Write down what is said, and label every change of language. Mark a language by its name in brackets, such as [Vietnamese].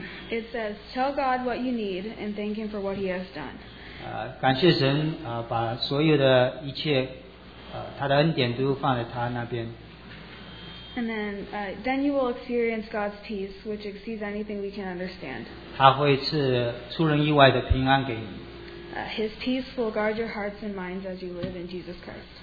[English] It says, "Tell God what you need and thank Him for what He has done." [Chinese] 感谢神，把所有的一切，他的恩典都放在他那边。 [English] And then you will experience God's peace, which exceeds anything we can understand. [Chinese] 他会赐出人意外的平安给你。 [English] His peace will guard your hearts and minds as you live in Jesus Christ.